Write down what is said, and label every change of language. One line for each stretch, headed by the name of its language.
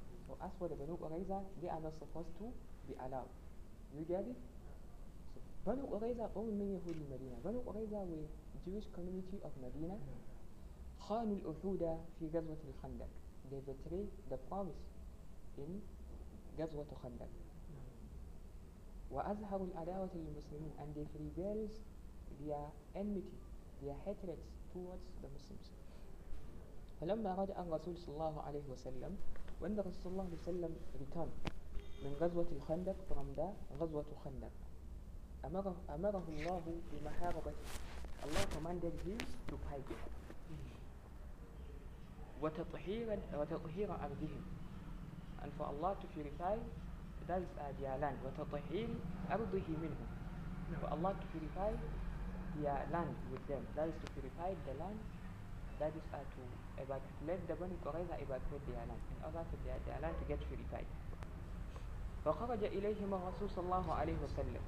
English: So as for the Banu Qurayza, they are not supposed to be allowed. You get it?
Arabic: So Banu Qurayza قوم من يهود المدينة.
English: Banu Qurayza were Jewish community of Medina.
Arabic: خانوا الأثودة في غزوة الخندق.
English: They betrayed the promise in غزوة الخندق.
Arabic: وأظهروا العداوة للمسلمين
English: and they rebelled their enmity. Their hatred towards the Muslims. فلما رجع الرسول صلى الله عليه وسلم when the Rasul صلى الله عليه وسلم returned من غزوة الخندق from the غزوة الخندق أمره الله بمحاربة Allah commanded him to fight وتطهير أرضهم and for Allah to purify that is their land وتطهير أرضه منهم for Allah to purify their land with them. That is to purify the land. That is to evacuate. Let the Banu Qurayza evacuate their land in order for their land to get purified.
Arabic: فخرج إليهم الرسول صلى الله عليه وسلم.